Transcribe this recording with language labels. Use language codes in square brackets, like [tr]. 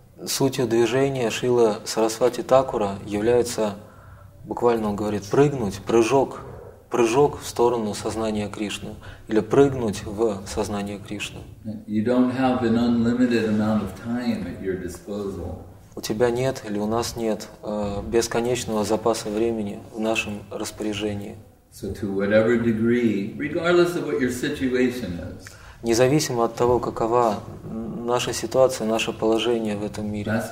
[ru] Сутью движения Шрилы Сарасвати Такура является, буквально он говорит, прыгнуть, прыжок в сторону сознания Кришны или прыгнуть в сознание Кришны. [en] You don't have an unlimited amount of time at your disposal. [ru] У тебя нет или у нас нет бесконечного запаса времени в нашем распоряжении. [en] So to whatever degree, regardless of what your situation is. [ru] Независимо от того, какова наша ситуация, наше положение в этом мире.